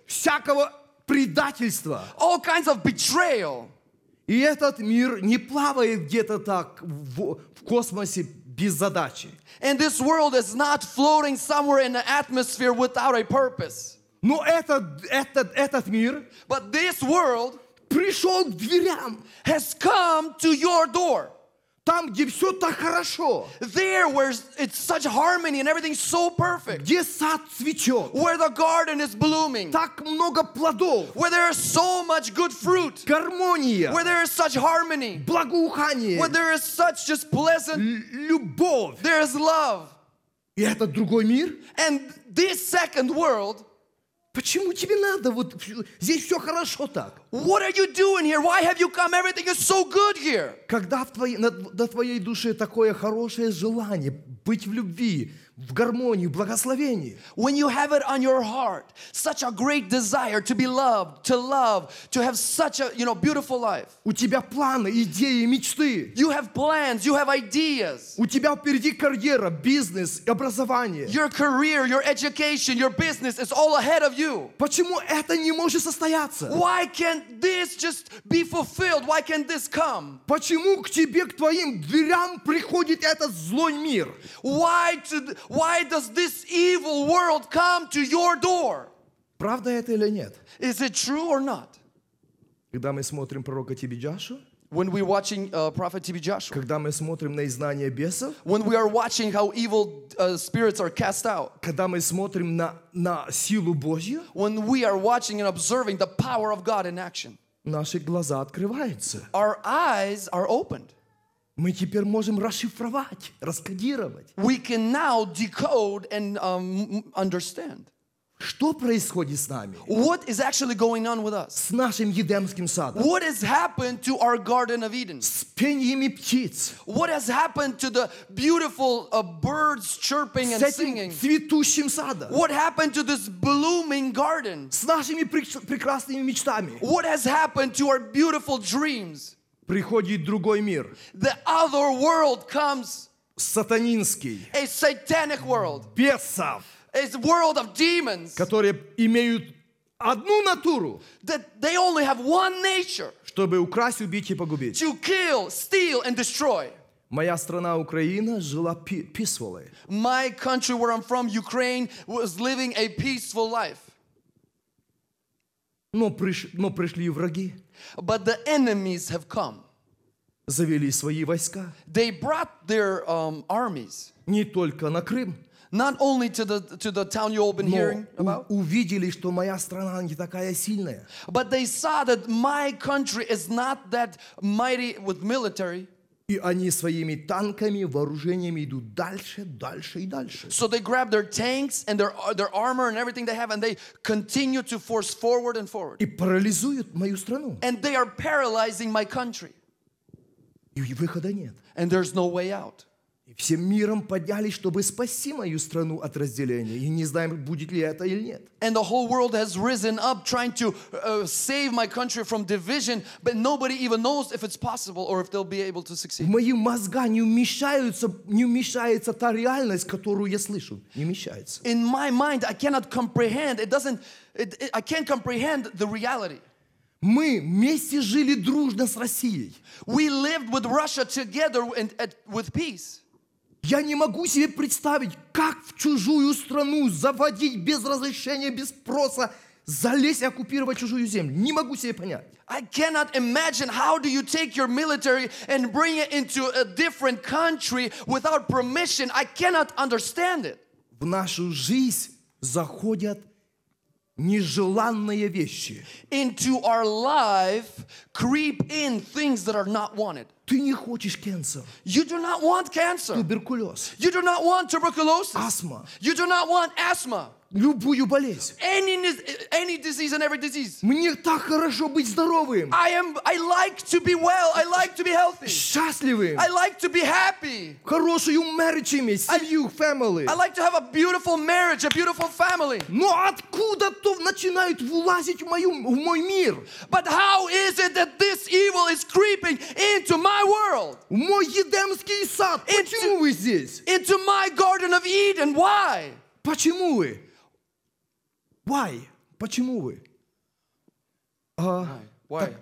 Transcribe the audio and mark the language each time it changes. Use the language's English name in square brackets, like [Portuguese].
[Russian] Всякого предательства. [English] All kinds of betrayal. [Russian] И этот мир не плавает где-то так в космосе без задачи. [English] And this world is not floating somewhere in the atmosphere without a purpose. [Russian] Но этот мир, [English] but this world, [Russian] пришел к дверям, [English] has come to your door. [Russian] Там, где все так хорошо, [English] there where it's such harmony and everything's so perfect, [Russian] где сад цветет, [English] where the garden is blooming, [Russian] так много плодов, [English] where there is so much good fruit, [Russian] гармония, [English] where there is such harmony, [Russian] благоухание, [English] where there is such just pleasant [Russian] любовь, [English] there is love. [Russian] И это другой мир, [English] and this second world. [Russian] Почему тебе надо? Вот здесь все хорошо так. [English] What are you doing here? Why have you come? Everything is so good here. [Russian] Когда на твоей душе такое хорошее желание быть в любви, в гармонии, в благословении. [English] When you have it on your heart, such a great desire to be loved, to love, to have such a, you know, beautiful life. [Russian] У тебя планы, идеи, мечты. [English] You have plans, you have ideas. [Russian] У тебя впереди карьера, бизнес, образование. [English] Your career, your education, your business is all ahead of you. [Russian] Почему это не может состояться? [English] Why can't this just be fulfilled? Why can't this come? [Russian] Почему к тебе, к твоим дверям приходит этот злой мир? [English] Why does this evil world come to your door? [Russian] Правда это или нет? [English] Is it true or not? [Russian] Когда мы смотрим пророка Тиби Джошуа? [English] When we're watching Prophet Тиби Джошуа? [Russian] Когда мы смотрим на изгнание бесов? [English] When we are watching how evil spirits are cast out? [Russian] Когда мы смотрим на силу Божью? [English] When we are watching and observing the power of God in action? [Russian] Наши глаза открываются. [English] Our eyes are opened. [Russian] Мы теперь можем расшифровать, раскодировать. [English] We can now decode and understand. [Russian] Что происходит с нами? [English] What is actually going on with us? [Russian] С нашим Едемским садом. [English] What has happened to our Garden of Eden? [Russian] С пеньями птиц. [English] What has happened to the beautiful birds chirping and singing? [Russian] С этим цветущим садом. [English] What happened to this blooming garden? [Russian] С нашими прекрасными мечтами. [English] What has happened to our beautiful dreams? [Russian] Приходит другой мир. [English] The other world comes. [Russian] сатанинский, [English] a satanic world, [Russian] бесов, [English] a world of demons, [Russian] которые имеют одну натуру, [English] that they only have one nature, [Russian] чтобы украсть, убить и погубить, [English] to kill, steal and destroy. [Russian] Моя страна Украина жила [English] peacefully. My country where I'm from, Ukraine, was living a peaceful life. [Russian] Но пришли враги. [English] But the enemies have come. [Russian] Завели свои войска. [English] They brought their armies. [Russian] Не только на Крым. [English] Not only to the town you've all been hearing about. [Russian] Увидели, что моя страна не такая сильная. [English] But they saw that my country is not that mighty with military. [Russian] И они своими танками, вооружениями идут дальше, дальше и дальше. [English] So they grab their tanks and their armor and everything they have, and they continue to force forward and forward. [Russian] И парализуют мою страну. [English] And they are paralyzing my country. [Russian] И выхода нет. [English] And there's no way out. [Russian] И всем миром поднялись, чтобы спасти мою страну от разделения. И не знаем, будет ли это или нет. [English] And the whole world has risen up trying to save my country from division, but nobody even knows if it's possible or if they'll be able to succeed. [Russian] В мои мозга не вмещается та реальность, которую я слышу. Не вмещается. [English] In my mind, I cannot comprehend. I can't comprehend the reality. [Russian] Мы вместе жили дружно с Россией. [English] We lived with Russia together with peace. [Russian] Я не могу себе представить, как в чужую страну заводить без разрешения, без спроса, залезть и оккупировать чужую землю. Не могу себе понять. [English] I cannot imagine how do you take your military and bring it into a different country without permission. I cannot understand it. [Russian] В нашу жизнь заходят нежеланные вещи. [English] Into our life creep in things that are not wanted. [Russian] Ты не хочешь [English] cancer. You do not want cancer. [Russian] Туберкулез. [English] You do not want tuberculosis. [Russian] Астма. [English] You do not want asthma. [Russian] Любую болезнь. [English] Any disease and every disease. [Russian] Мне так хорошо быть здоровым. [English] I like to be well. I like to be healthy. [Russian] Счастливым. [English] I like to be happy. [Russian] Хорошую [English] marriage [Russian] иметь, семью, [English] family. I like to have a beautiful marriage, a beautiful family. [Russian] Но откуда-то начинают влазить в мой мир. [English] But how is it that this evil is creeping into my world? [Russian] Мой едемский сад. Почему вы здесь? [English] Into my garden of Eden. Why? [Russian] Почему вы? [English] Why? [Russian] Почему вы? [English] Why?